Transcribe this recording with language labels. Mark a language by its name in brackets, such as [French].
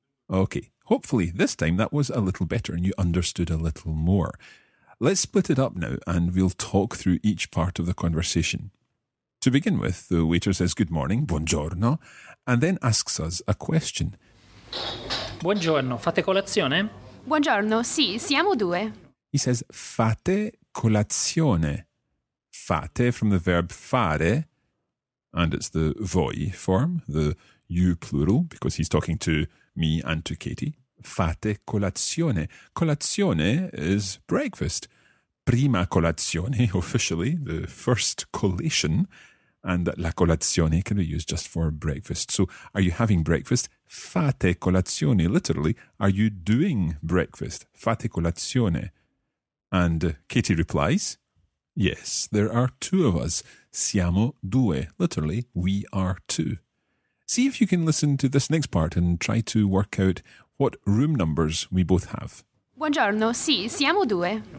[English] Okay, hopefully this time that was a little better and you understood a little more. Let's split it up now and we'll talk through each part of the conversation. To begin with, the waiter says good morning, buongiorno, and then asks us a question. [Italian] Buongiorno, fate colazione? Buongiorno, sì, siamo due. [English] He says, [Italian] fate colazione. [English] Fate from the verb fare, and it's the voi form, the you plural, because he's talking to me and to Katie. [Italian] Fate colazione. [English] Colazione is breakfast. [Italian] Prima colazione, [English] officially, the first collation, and [Italian] la colazione [English] can be used just for breakfast. So, are you having breakfast? [Italian] Fate colazione, [English] literally. Are you doing breakfast? [Italian] Fate colazione. [English] And Katie replies, yes, there are two of us. [Italian] Siamo due. [English] Literally, we are two. See if you can listen to this next part and try to work out what room numbers we both have. [Italian] Buongiorno, sì, siamo due.